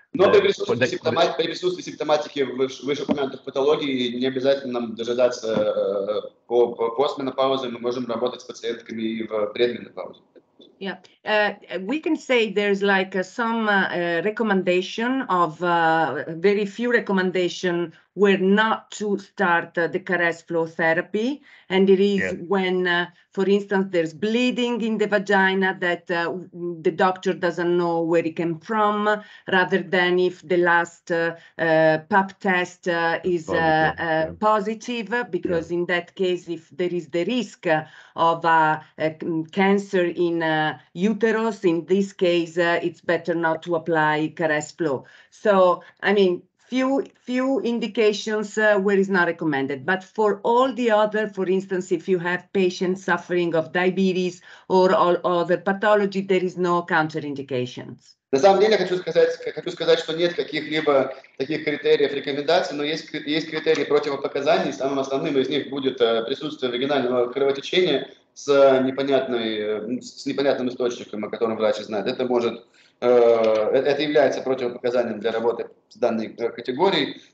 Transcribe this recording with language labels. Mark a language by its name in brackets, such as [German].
[Russian] Но при присутствии симптоматики вышеупомянутых патологий не обязательно нам дожидаться по постменопаузе. Мы можем работать с пациентками и в предменопаузе. [English] Yeah, we can say there's like very few recommendations were not to start the Caress flow therapy. And it is when, for instance, there's bleeding in the vagina that the doctor doesn't know where it came from, rather than if the last pap test is positive, because in that case, if there is the risk of cancer in uterus, in this case, it's better not to apply Caress flow. So, I mean, Few indications where it's not recommended, but for all the other, for instance, if you have patients suffering of diabetes or all other pathology, there is no counterindications. [Russian] На самом деле, хочу сказать, что нет каких-либо таких критериев рекомендаций, но есть критерии противопоказаний. Самым основным из них будет присутствие вагинального кровотечения с непонятным источником, о котором врач знает. Это может это является противопоказанием для работы с данной категорией.